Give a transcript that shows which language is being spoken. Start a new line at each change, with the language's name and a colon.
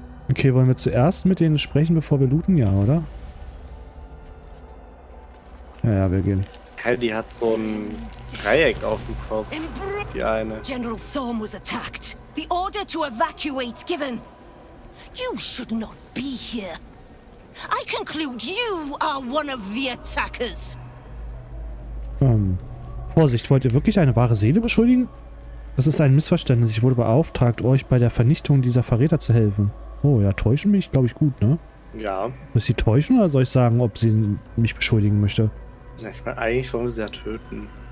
German: Okay, wollen wir zuerst mit denen sprechen, bevor wir looten? Ja, oder? Ja, wir gehen. Die hat so ein Dreieck auf dem Kopf. Die eine.
English: General Thorn was attacked. The order to evacuate given. You should not be here. I conclude you are one of the attackers.
German: Vorsicht, wollt ihr wirklich eine wahre Seele beschuldigen? Das ist ein Missverständnis. Ich wurde beauftragt, euch bei der Vernichtung dieser Verräter zu helfen. Oh ja, täuschen mich, glaube ich, gut, ne? Ja. Muss sie täuschen oder soll ich sagen, ob sie mich beschuldigen möchte? Ja, ich meine, eigentlich wollen wir sie ja töten.